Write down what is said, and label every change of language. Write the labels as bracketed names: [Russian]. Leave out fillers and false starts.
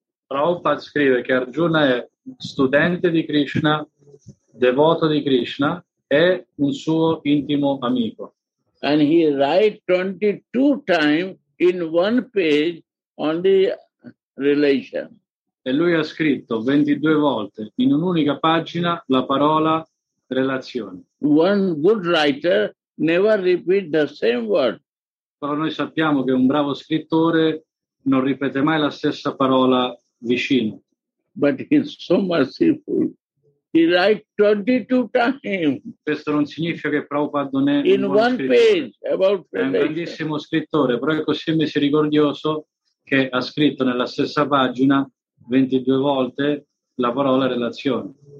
[Italian] Prabhupada scrive che Arjuna è studente di Krishna, devoto di Krishna, è un suo intimo amico. [English] And he writes 22 times in one page on the relation. [Italian] E lui ha scritto 22 volte in un'unica pagina la parola relazione. [English] One good writer never repeat the same word. [Italian] Però noi sappiamo che un bravo scrittore non ripete mai la stessa parola vicino. [English] But he's so merciful. He write 22 times. [Italian] Questo non significa che Prabhupada non è in un buon [English] one page about [Italian] è un grandissimo scrittore, però è così misericordioso che ha scritto nella stessa pagina 22 volte la parola relazione.